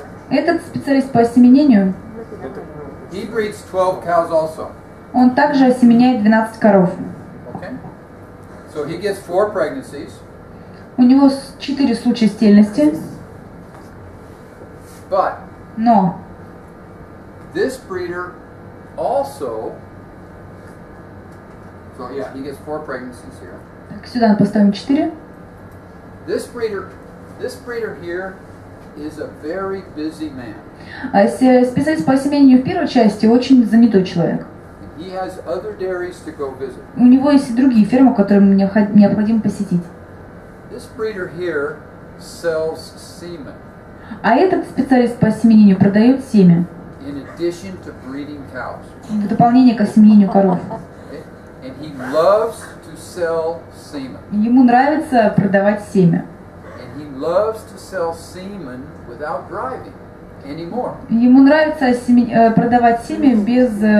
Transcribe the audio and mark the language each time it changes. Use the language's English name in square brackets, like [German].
[Russian] этот специалист по осеменению, [English] he breeds 12 cows also. [Russian] Он также осеменяет 12 коров. [English] Okay. So he gets 4 pregnancies. [Russian] У него 4 случая стерильности. [English] But, [Russian] но [English] this breeder also, so yeah, he gets 4 pregnancies here. [Russian] Так, сюда поставим 4. [English] This breeder here is a very busy man. [Russian] Специалист по осеменению в первой части очень занятой человек. [English] He has other dairies to go visit. [Russian] У него есть и другие фермы, которые мне необходимо посетить. [English] This breeder here sells semen. [Russian] А этот специалист по осеменению продает семя. [English] In addition to breeding cows. [Russian] В дополнение к осеменению коров. [English] And he loves to sell semen. [Russian] Ему нравится продавать семя. [English] And he loves to sell semen without driving anymore. [Russian] Ему нравится продавать семя без